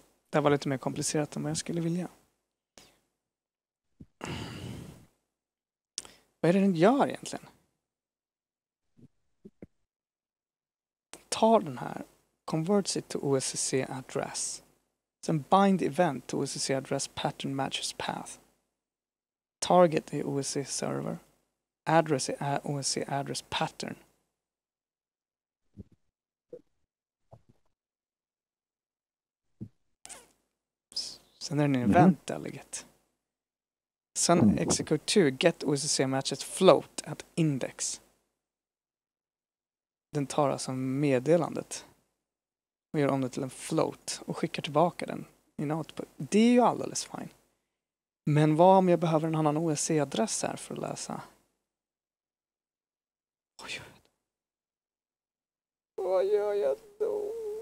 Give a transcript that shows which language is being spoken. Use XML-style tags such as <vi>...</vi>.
<sv>Det var lite mer komplicerat än vad jag skulle vilja. Vad är det den gör egentligen? Ta den här.</sv> <en>Converts it to OSC address. Sen bind event to OSC address pattern matches path.</en> <sv>Target är OSC server. Address är OSC address pattern. Sen är det en event delegate.</sv> <en>Sen execute to get OSC matches float at index.</en> <sv>Den tar alltså meddelandet och gör om det till en float och skickar tillbaka den i en output. Det är ju alldeles fine. Men vad om jag behöver en annan OSC-adress här för att läsa? Oj, vad gör jag då?</sv>